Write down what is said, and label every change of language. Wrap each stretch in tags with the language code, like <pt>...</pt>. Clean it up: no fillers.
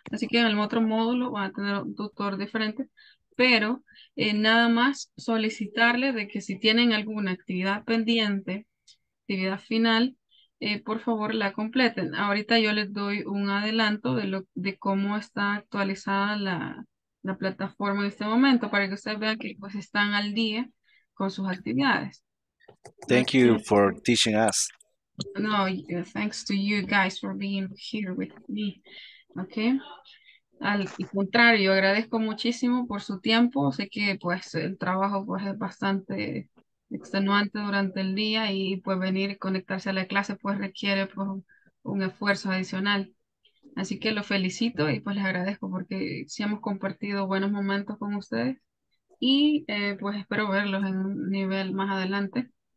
<es>Así que en el otro módulo van a tener un tutor diferente. Pero, nada más solicitarle de que si tienen alguna actividad pendiente, actividad final, por favor la completen. Ahorita yo les doy un adelanto de cómo está actualizada la plataforma en este momento, para que ustedes vean que pues están al día con sus actividades.</es> <en>Thank you for teaching us. No, thanks to you guys for being here with me.</en> <es>Okay. Al contrario, agradezco muchísimo por su tiempo. Sé que pues el trabajo pues es bastante extenuante durante el día y pues venir y conectarse a la clase pues requiere pues un esfuerzo adicional. Así que lo felicito y pues les agradezco porque sí hemos compartido buenos momentos con ustedes y pues espero verlos en un nivel más adelante.</es>